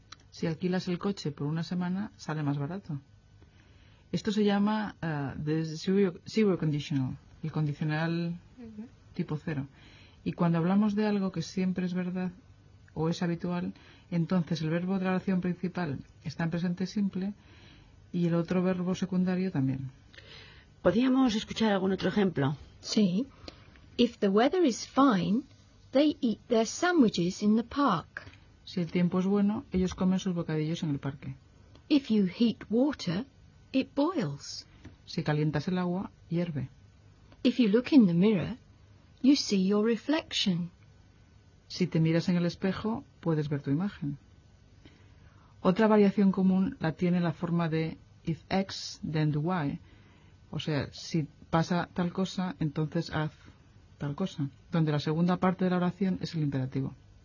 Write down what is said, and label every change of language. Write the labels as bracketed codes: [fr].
[es] Si alquilas el coche por una semana, sale más barato. Esto se llama [en] the zero conditional, [es] el condicional tipo cero. Y cuando hablamos de algo que siempre es verdad o es habitual, entonces el verbo de la oración principal está en presente simple y el otro verbo secundario también. ¿Podríamos escuchar algún otro ejemplo? Sí. [en] If the weather is fine, they eat their sandwiches in the park. [es] Si el tiempo es bueno, ellos comen sus bocadillos en el parque. [en] If you heat water, it boils. [es] Si calientas el agua, hierve. [en] If you look in the mirror, you see your reflection. [es] Si te miras en el espejo, puedes ver tu imagen. Otra variación común la tiene la forma de [en] if X, then Y. [es] O sea, si pasa tal cosa, entonces haz tal cosa. Donde la segunda parte de la oración es el imperativo.